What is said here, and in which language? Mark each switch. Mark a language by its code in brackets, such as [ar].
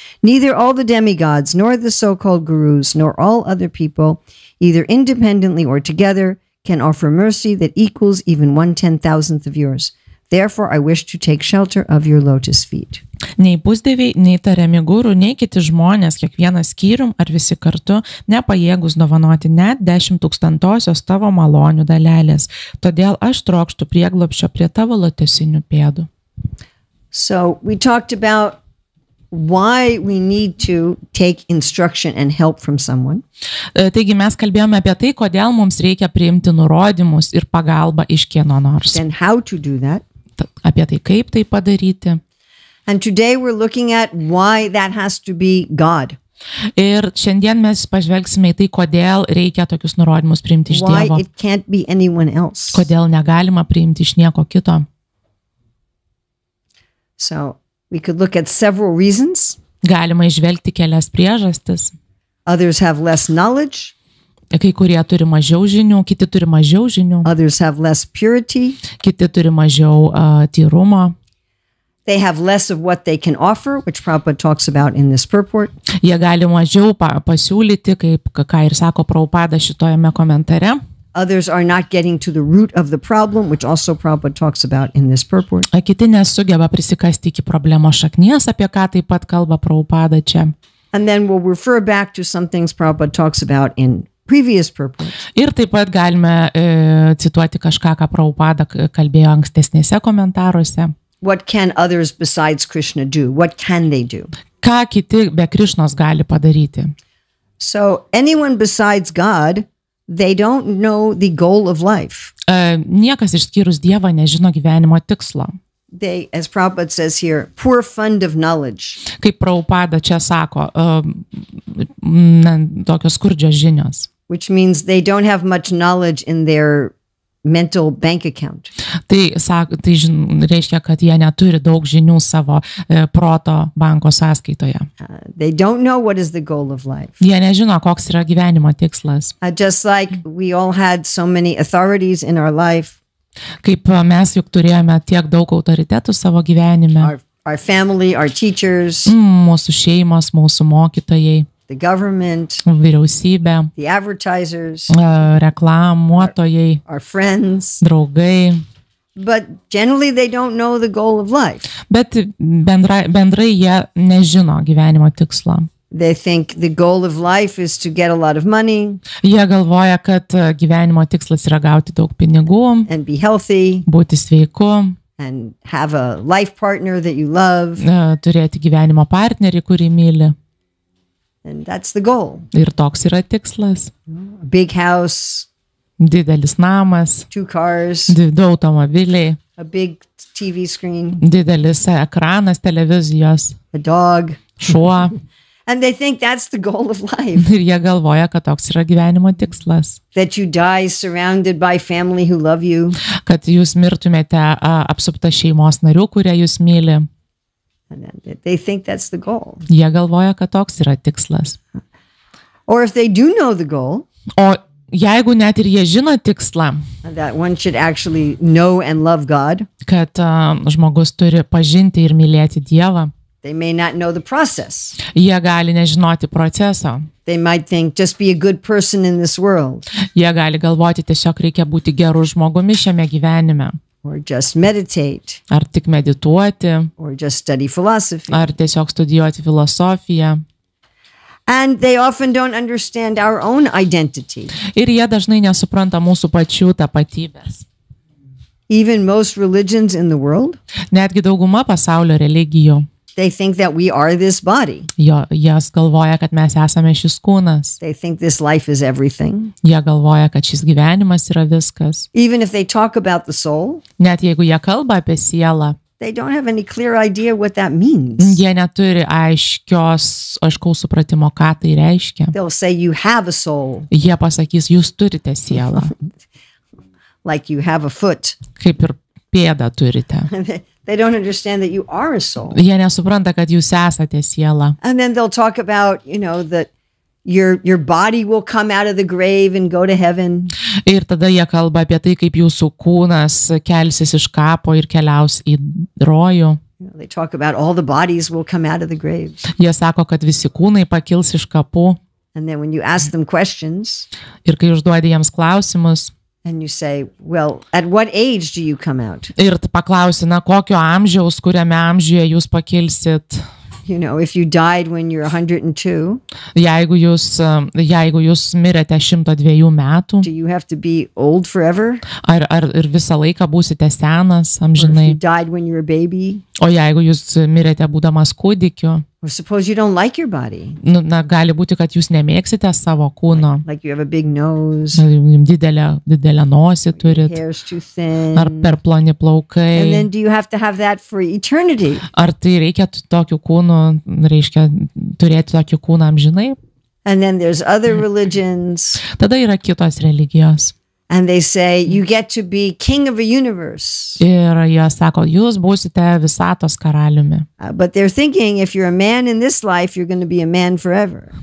[en] Neither all the demigods, nor the so-called gurus, nor all other people, either independently or together, can offer mercy that equals even 1/10,000th of yours. Therefore, I wish to take shelter of your lotus feet. [lt] Nei pusdėviai, nei tariami gūrų, nei kiti žmonės, kiekvienas skyrium ar visi kartu, nepajėgus dovanoti net 10,000 tavo malonių dalelės. Todėl aš trokštų prieglobščio prie tavo lotusinių pėdų. [en] So, we talked about why we need to take instruction and help from someone. [lt] Taigi mes kalbėjome apie tai, kodėl mums reikia priimti nurodymus ir pagalbą iš kieno nors. [en] And how to do that. [lt] Apie tai, kaip tai padaryti. [en] And today we're looking at why that has to be God. [lt] Ir šiandien mes pažvelgsime į tai, kodėl reikia tokius nurodymus priimti iš Dievo. [en] Why it can't be anyone else. [lt] Kodėl negalima priimti iš nieko kito. [en] So, we could look at several reasons. [lt] Galima išvelgti kelias priežastis. [en] Others have less knowledge. [lt] Kai kurie turi mažiau žinių, kiti turi mažiau žinių. [en] Others have less purity. [lt] Kiti turi mažiau tyrumo. [en] They have less of what they can offer, which Prabhupada talks about in this purport. [lt] Jie gali mažiau pasiūlyti, kaip ką ir sako Prabhupada šitojame komentare. [en] Others are not getting to the root of the problem, which also Prabhupada talks about in this purport. [lt] Kiti nesugeba prisikasti iki problemos šaknies, apie ką taip pat kalba Prabhupada čia. [en] And then we'll refer back to some things Prabhupada talks about in previous purport. [lt] Ir taip pat galime cituoti kažką, ką Prabhupada kalbėjo ankstesnėse komentaruose. [en] What can others besides Krishna do? What can they do? [lt] Ką kiti be Krishnos gali padaryti? [en] So, anyone besides God, they don't know the goal of life. [lt] Niekas išskyrus Dievą nežino gyvenimo tikslo. [en] They, as Prabhupada says here, poor fund of knowledge. [lt] Kaip Prabhupada čia sako, tokios skurdžios žinios. [en] Which means they don't have much knowledge in their mental bank account. [lt] Tai reiškia, kad jie neturi daug žinių savo proto banko sąskaitoje. [en] They don't know what is the goal of life. [lt] Jie nežino, koks yra gyvenimo tikslas. [en] Just like we all had so many authorities in our life. [lt] Kaip mes juk turėjome tiek daug autoritetų savo gyvenime. [en] Our family, our teachers. [lt] Mūsų šeimos, mūsų mokytojai. [en] The government, [lt] vyriausybė, [en] the advertisers, [lt] reklamuotojai, [en] our friends, [lt] draugai. [en] But generally they don't know the goal of life. [lt] Bet bendrai jie nežino gyvenimo tikslo. [en] They think the goal of life is to get a lot of money. [lt] Jie galvoja, kad gyvenimo tikslas yra gauti daug pinigų. [en] And be healthy. [lt] Būti sveiku. [en] And have a life partner that you love. [lt] Turėti gyvenimo partnerį, kurį myli. [en] And that's the goal. [lt] Ir toks yra tikslas. [en] A big house. [lt] Didelis namas. [en] Two cars. [lt] Du automobiliai. [en] A big TV screen. [lt] Didelis ekranas televizijos. [en] A dog. [lt] Šuo. [en] And they think that's the goal of life. [lt] Ir jie galvoja, kad toks yra gyvenimo tikslas. [en] That you die surrounded by family who love you. [lt] Kad jūs mirtumėte apsupta šeimos narių, kurie jūs myli. [en] And they think that's the goal. [lt] Jie galvoja, kad toks yra tikslas. [en] Or if they do know the goal. [lt] O jeigu net ir jie žino tikslą. [en] That one should actually know and love God. [lt] Kad žmogus turi pažinti ir mylėti Dievą. [en] They may not know the process. [lt] Jie gali nežinoti proceso. [en] They might think just be a good person in this world. [lt] Jie gali galvoti tiesiog reikia būti geru žmogumi šiame gyvenime. [en] Or just meditate. [lt] Ar tik medituoti. [en] Or just study philosophy. [lt] Ar tiesiog studijuoti filosofiją. [en] And they often don't understand our own identity. [lt] Ir jie dažnai nesupranta mūsų pačių tapatybės. [en] Even most religions in the world? [lt] Netgi dauguma pasaulio religijų. [en] They think that we are this body. [lt] Jie galvoja, kad mes esame šis kūnas. [en] They think this life is everything. [lt] Jie galvoja, kad šis gyvenimas yra viskas. [en] Even if they talk about the soul. [lt] Net jeigu jie kalba apie sielą. [en] They don't have any clear idea what that means. [lt] Jie neturi aiškaus supratimo, ką tai reiškia. [en] They'll say you have a soul. [lt] Jie pasakys, jūs turite sielą. [en] Like you have a foot. [lt] Kaip ir pėdą turite. [en] They don't understand that you are a soul. [lt] Jie nesupranta, kad jūs esate siela. [en] And then they'll talk about, you know, that your body will come out of the grave and go to heaven. [lt] Ir tada jie kalba apie tai, kaip jūsų kūnas kelsis iš kapo ir keliaus į rojų. [en] They talk about all the bodies will come out of the graves. [lt] Jie sako, kad visi kūnai pakils iš kapų. [en] And then when you ask them questions. [lt] Ir kai užduodi jiems klausimus. [en] And you say, well, at what age do you come out? [lt] Ir paklausi, na, kokio amžiaus, kuriame amžiuje jūs pakilsit? [en] You know, if you died when you're 102. [lt] Jeigu jūs mirėte 102 metų. [en] Do you have to be old forever? [lt] Ar ir visą laiką būsite senas, amžinai? [en] Or if you died when you're a baby. [lt] O jeigu jūs mirėte būdamas kūdikiu. [en] Or suppose you don't like your body. [lt] Na, gali būti, kad jūs nemėgsite savo kūno. [en] Like you have a big nose. [lt] Didelę nosį turit. [en] Your hair's too thin. [lt] Ar per ploni plaukai. [en] And then do you have to have that for eternity? [lt] Ar tai reikia tokių kūnų, reiškia, turėti tokių kūną amžinai? [en] And then there's other religions. [lt] Tada yra kitos religijos. [en] And they say, you get to be king of a universe. [lt] Ir jie sako, jūs būsite visatos karaliumi. [en] But they're thinking, if you're a man in this life, you're going to be a man forever.